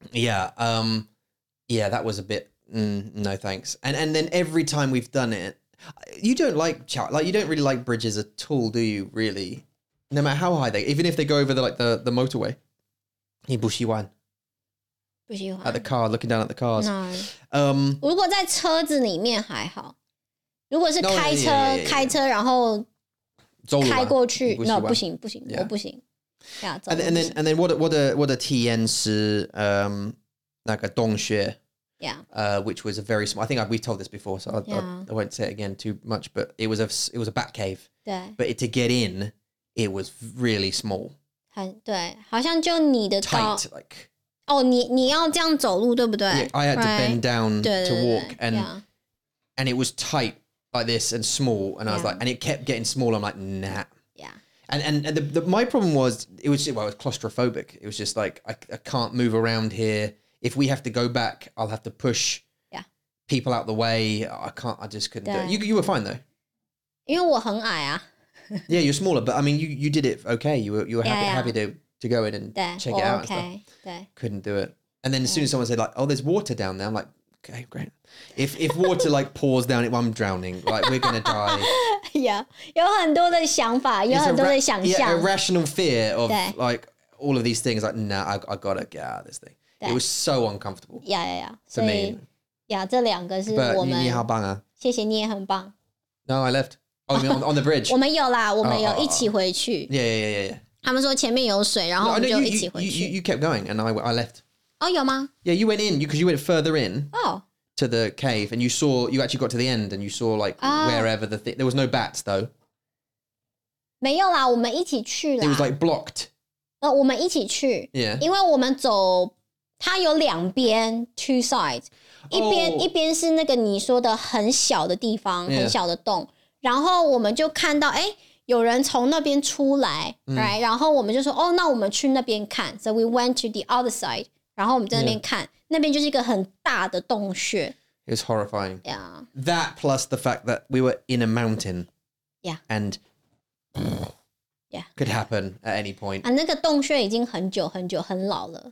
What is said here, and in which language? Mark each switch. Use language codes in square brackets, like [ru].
[en] Yeah, that was a bit, no thanks. And then every time we've done it, you don't really like bridges at all, do you, really? No matter how high they, even if they go over the motorway. [zh] 你不喜欢。不喜欢。 [en] At the car, looking down at the cars. No. [zh] 如果在车子里面还好。如果是开车然后开过去 ，no， 不行，不行， yeah. 我不行。Yeah, [en] and then, what a [zh] 体验是那个洞穴 [en] ，yeah， which was a very small. I think we told this before, so I won't say it again too much. But it was a bat cave. [zh] 对 [en] ，but to get in, it was really small. [zh] 很对，好像就你的 [en] tight like. [zh] 哦、oh, ，你要这样走路，对不对 [en] yeah, ？I had to bend down to walk, [zh] 对对对对 [en] and it was tight like this and small, and I was like, and it kept getting smaller. I'm like, nah. And the my problem was it was claustrophobic. It was just like I can't move around here. If we have to go back, I'll have to push people out the way. I just couldn't do it. You were fine though. [zh] 因为我很矮啊。 [en] Yeah, you're smaller, but I mean you did it okay. You were happy to go in and check it out. Okay. And stuff. Couldn't do it. And then as soon as someone said like, oh, there's water down there, I'm like, okay, great. If water like pours down, well, I'm drowning. Like we're gonna die. [zh] Yeah, 有很多的想法，有很多的想象。 [en] Yeah, irrational fear of like all of these things. Like, nah, I gotta get out of this thing. It was so uncomfortable. Yeah, yeah, yeah. For me. Yeah, [zh] 这两个是我们。你好棒啊！谢谢，你也很棒。 [en] No, I left. Oh, you mean on the bridge. [zh] 我们有啦，我们有一起回去。 [en] Yeah. [zh] 他们说前面有水，然后我们就一起回去。 [en] You kept going, and I left. [zh] Oh, 有吗 [en] ？Yeah, you went in because you went further in. Oh. To the cave, and you actually got to the end, and you saw like wherever the thing. There was no bats though. [zh] 没有啦，我们一起去啦。 [en] It was like blocked. [zh] 我们一起去。 [en] Yeah. [zh] 因为我们走，它有两边 [en] two sides. [zh] 一边是那个你说的很小的地方， yeah. 很小的洞。然后我们就看到，有人从那边出来， right? 然后我们就说，哦，那我们去那边看。 So we went to the other side. 然后我们在那边看。 Yeah. 那边就是一个很大的洞穴。 [en] It was horrifying. Yeah. That plus the fact that we were in a mountain. Yeah. And yeah. Could happen at any point. [zh] 啊，那个洞穴已经很久很久很老了。